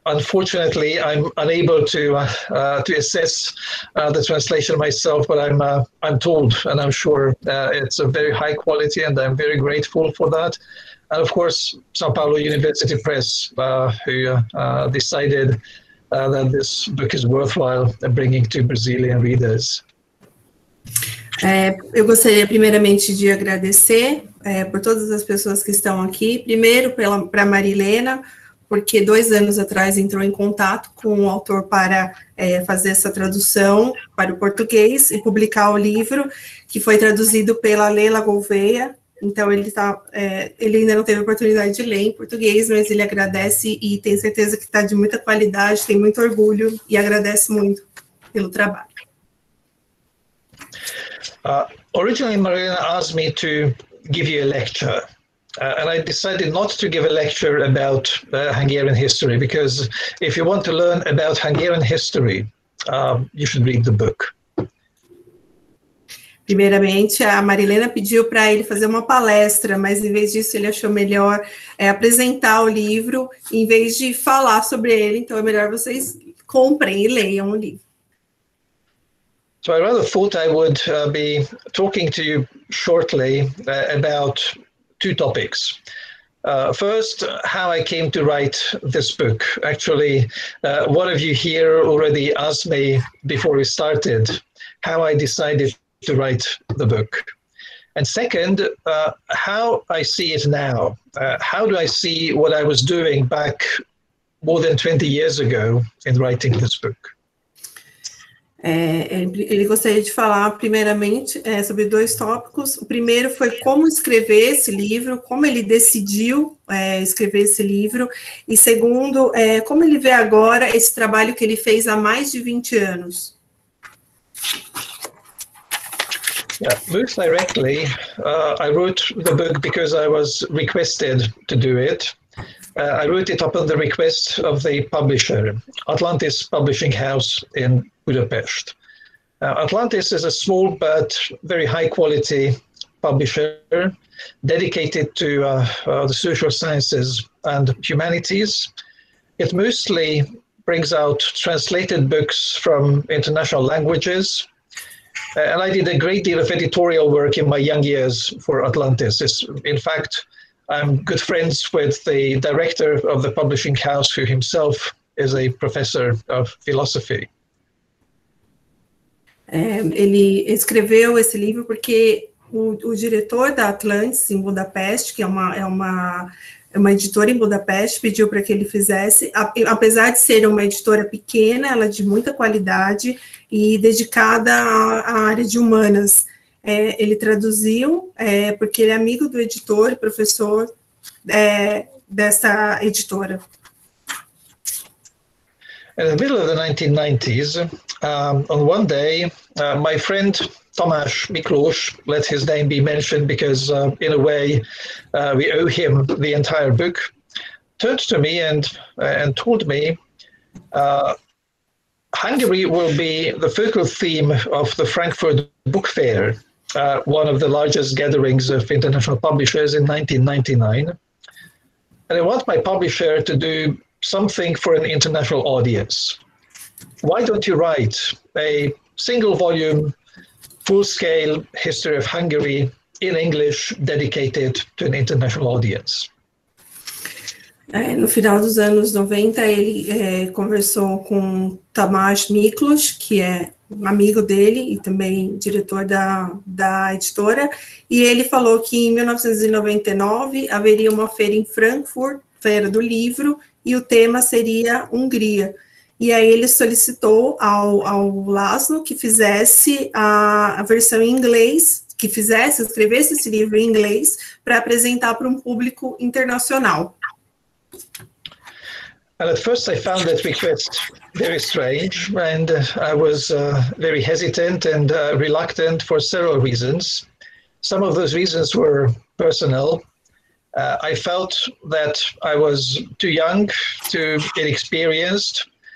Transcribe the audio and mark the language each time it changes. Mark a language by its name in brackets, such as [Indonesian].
[English] Unfortunately, I'm unable to assess the translation myself, but I'm told, and I'm sure it's a very high quality, and I'm very grateful for that. And of course, São Paulo University Press, who decided that this book is worthwhile bringing to Brazilian readers. [Portuguese] Eu gostaria primeiramente de agradecer por todas as pessoas que estão aqui. Primeiro, para Marilena, porque 2 anos atrás entrou em contato com o autor para fazer essa tradução para o português e publicar o livro, que foi traduzido pela Leila Gouveia. Então, ele ainda não teve a oportunidade de ler em português, mas ele agradece e tem certeza que está de muita qualidade, tem muito orgulho e agradece muito pelo trabalho. [English] Originally, Marilena asked me to give you a lecture, and I decided not to give a lecture about Hungarian history, because if you want to learn about Hungarian history, you should read the book. [Portuguese] Primeiramente, a Marilena pediu para ele fazer uma palestra, mas em vez disso ele achou melhor apresentar o livro em vez de falar sobre ele, então é melhor vocês comprem e leiam o livro. [English] So I rather thought I would be talking to you shortly about two topics. First, how I came to write this book. Actually, one of you here already asked me before we started how I decided to write the book. And second, how I see it now. How do I see what I was doing back more than 20 years ago in writing this book? [Portuguese] Ele gostaria de falar, primeiramente, sobre dois tópicos. O primeiro foi como escrever esse livro, como ele decidiu escrever esse livro, e segundo, como ele vê agora esse trabalho que ele fez há mais de 20 anos. [English] Most directly, I wrote the book because I was requested to do it. I wrote it upon the request of the publisher, Atlantis Publishing House in Budapest. Atlantis is a small but very high quality publisher dedicated to the social sciences and humanities. It mostly brings out translated books from international languages. And I did a great deal of editorial work in my young years for Atlantis. In fact, I'm good friends with the director of the publishing house, who himself is a professor of philosophy. [Portuguese] Ele escreveu esse livro porque o diretor da Atlantis em Budapeste, que é uma editora em Budapeste, pediu para que ele fizesse, apesar de ser uma editora pequena, ela é de muita qualidade e dedicada à área de humanas. Ele traduziu porque ele é amigo do editor, professor dessa editora. [English] In the middle of the 1990s, on one day, my friend Tomasz Miklós, let his name be mentioned because in a way we owe him the entire book, turned to me and told me, Hungary will be the focal theme of the Frankfurt Book Fair, one of the largest gatherings of international publishers in 1999. And I want my publisher to do something for an international audience. Why don't you write a single volume, full-scale history of Hungary in English dedicated to an international audience? [Portuguese] No final dos anos 90, ele conversou com Tamás Miklós, que é um amigo dele e também diretor da editora, e ele falou que em 1999 haveria uma feira em Frankfurt, Feira do Livro, e o tema seria Hungria. E aí ele solicitou ao László que fizesse a versão em inglês, que fizesse, escrevesse esse livro em inglês, para apresentar para um público internacional. [English] And at first I found that request very strange, and I was very hesitant and reluctant for several reasons. Some of those reasons were personal. I felt that I was too young, too inexperienced.